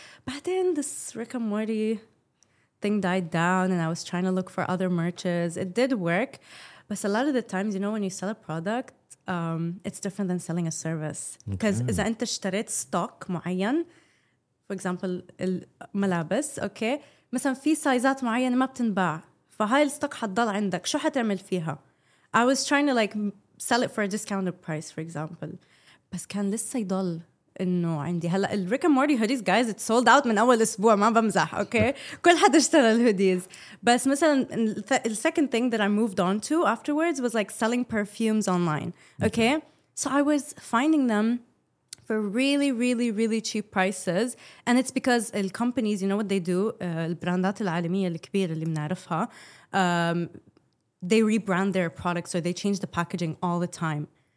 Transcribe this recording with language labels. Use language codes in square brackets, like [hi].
[en] But then this Rick and Morty thing died down and I was trying to look for other merches. It did work. But a lot of the times, you know, when you sell a product, it's different than selling a service. [ar] Because إذا أنت اشتريت stock معين, [en] for example, [ar] الملابس, okay? مثلا في سايزات معينة ما بتنباع. فهاي الستوك حتضل عندك. شو حتعمل فيها? [en] I was trying to like sell it for a discounted price, for example. [ar] بس كان لسه يضل. إنه عندي هلا [en] الريك and Morty hoodies guys it sold out [ar] من أول أسبوع ما بمزح أوكي كل حد اشترى الهوديز بس مثلا ال [en] second thing that I moved on to afterwards was like selling perfumes online okay so I was finding them for really really really cheap prices and it's because the companies you know what they do [ar] البراندات العالمية الكبيرة اللي بنعرفها [en] they rebrand their products or they change the packaging all the time.